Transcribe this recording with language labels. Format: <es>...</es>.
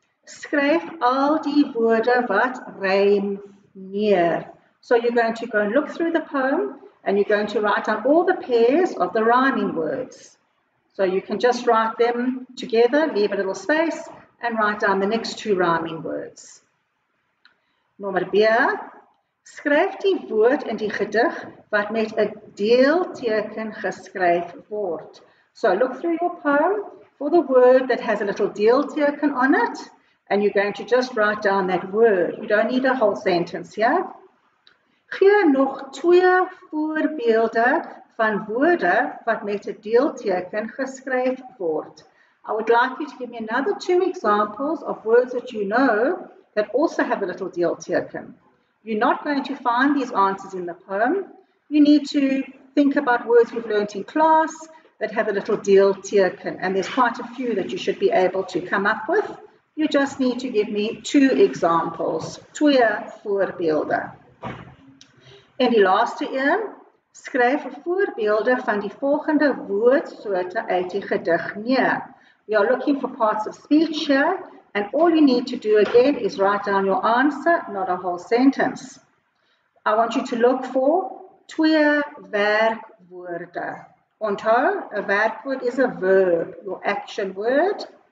<af>Skryf al die woorde wat rym neer.</af> <en>So you're going to go and look through the poem and you're going to write down all the pairs of the rhyming words. So you can just write them together, leave a little space and write down the next two rhyming words. Number B.</en> <af>Skryf die woord in die gedig wat met 'n deelteken geskryf word.</af> <en>So look through your poem for the word that has a little deelteken on it, and you're going to just write down that word. You don't need a whole sentence here.</en> <af>Gee nog twee voorbeelde van woorde wat met 'n deelteken geskryf word.</af> <en>I would like you to give me another two examples of words that you know that also have a little deelteken. You're not going to find these answers in the poem. You need to think about words we've learnt in class that have a little deelteken, and there's quite a few that you should be able to come up with. You just need to give me two examples.</en> <af>Twee voorbeelde. En die laaste een, skryf voorbeelde van die volgende woordsoorte uit die gedig neer.</af> <en>We are looking for parts of speech here, and all you need to do again is write down your answer, not a whole sentence. I want you to look for</en> <af>twee werkwoorde.</af> <en>Onthou, a werkwoord is a verb, your action word.</en>